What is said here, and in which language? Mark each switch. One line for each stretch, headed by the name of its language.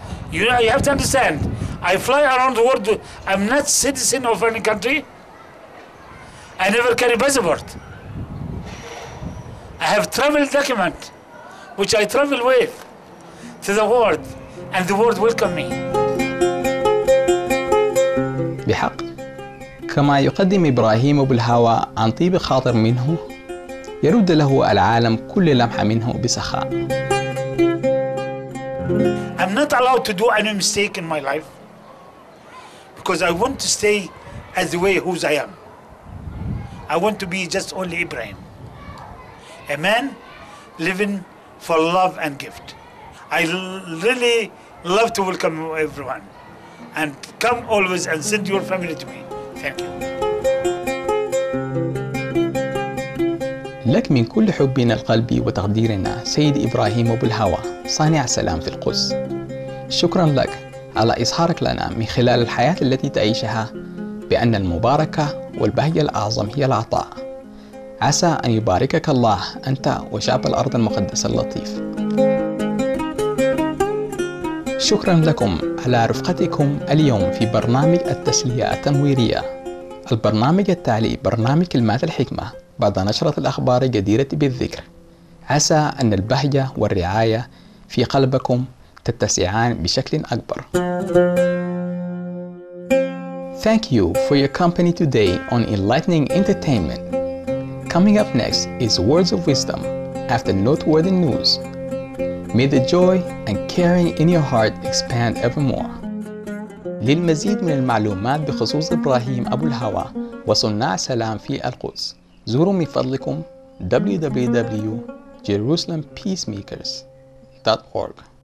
English: You know, you have to understand, I fly around the world. I'm not citizen of any country. I never carry passport. I have travel document, which I travel with to the world. And the world welcome me.
Arabic: بحق كما يقدم إبراهيم أبو الهوى عن طيب خاطر منه يرد له العالم كل لمحة منه بسخاء.
English: I'm not allowed to do any mistake in my life because I want to stay as the way who I am. I want to be just only Ibrahim, a man living for love and gift. I really love to welcome everyone and come always and send your family to me. Thank you.
Arabic: لك من كل حبنا القلبي وتقديرنا سيد إبراهيم أبو الهوى صانع السلام في القدس. شكرا لك على إظهارك لنا من خلال الحياة التي تعيشها بأن المباركة والبهجة الأعظم هي العطاء. عسى أن يباركك الله أنت وشعب الأرض المقدسة اللطيف. شكرا لكم على رفقتكم اليوم في برنامج التسلية التنويرية. البرنامج التالي برنامج كلمات الحكمة بعد نشرة الأخبار الجديرة بالذكر. عسى أن البهجة والرعاية في قلبكم تتسعان بشكل أكبر.
English: Thank you for your company today on Enlightening Entertainment. Coming up next is Words of Wisdom after Noteworthy News. May the joy and caring in your heart expand evermore.
Arabic: للمزيد من المعلومات بخصوص إبراهيم أبو الهوى وصناع سلام في القدس زوروا من فضلكم www.JerusalemPeacemakers.org.